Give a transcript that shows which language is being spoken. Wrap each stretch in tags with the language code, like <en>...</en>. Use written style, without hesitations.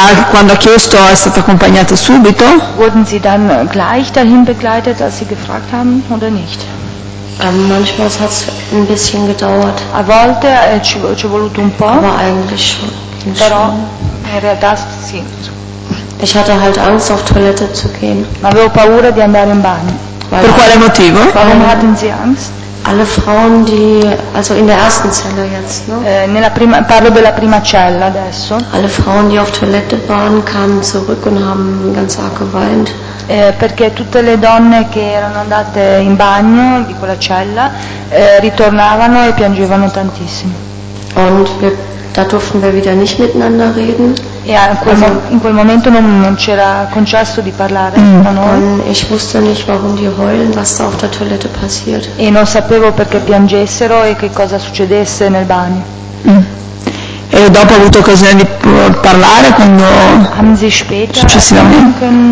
<it>Quando ha chiesto è stata accompagnata subito?</it> <de>Wurden Sie dann gleich dahin begleitet, als Sie gefragt haben, oder nicht? Manchmal hat es ein bisschen gedauert.</de> <it>A volte ci è voluto un po'.</it> <de>Aber eigentlich schon.</de> <it>Però in realtà sì.</it> <de>Ich hatte halt Angst, auf Toilette zu gehen.</de> <it>Ma avevo paura di andare in bagno. Per quale motivo?</it> <de>Warum hatten Sie Angst? Alle Frauen, die, also in der ersten Zelle jetzt, no?</de> <it>Nella prima, parlo della prima cella adesso.</it> <de>Alle Frauen, die auf Toilette waren, kamen zurück und haben ganz arg geweint.</de> <it>Perché tutte le donne che erano andate in bagno di quella cella ritornavano e piangevano tantissimo.</it> <de>Und da durften wir wieder nicht miteinander reden.</de> <it>E in quel momento non c'era concesso di parlare con noi.</it> <de>Ich wusste nicht, warum die heulen, was da auf der Toilette passiert.</de> <it>E non sapevo perché piangessero e che cosa succedesse nel bagno. E dopo ho avuto occasione di parlare quando.</it> <de>Haben Sie später successivamente?</de>